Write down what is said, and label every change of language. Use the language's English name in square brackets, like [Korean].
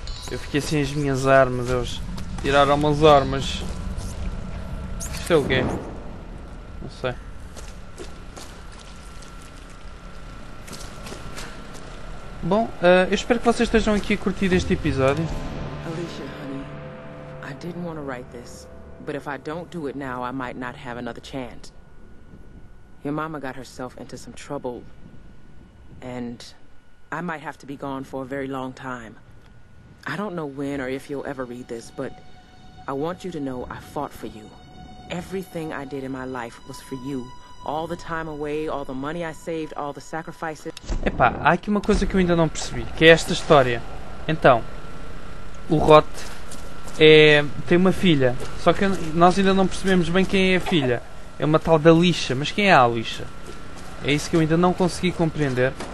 [Portuguese] Eu fiquei sem as minhas armas, eles tiraram umas armas. Isto é o quê? Não sei. Bom, eu espero que vocês estejam aqui a curtir este episódio. [English] Alicia, honey, I didn't want to write this. But if I don't do it now, I might not have another chance. Your mama got herself into some trouble. And I might have to be gone for a very long time. I don't know when or if you'll ever read this, but I want you to know I fought for you. Everything I did in my life was for you. All the time away, all the money I saved, all the sacrifices... [Portuguese] Epá, há aqui uma coisa que eu ainda não percebi, que é esta história. Então, o Rot... É, tem uma filha, só que nós ainda não percebemos bem quem é a filha. É uma tal da Alicia, mas quem é a Alicia? É isso que eu ainda não consegui compreender.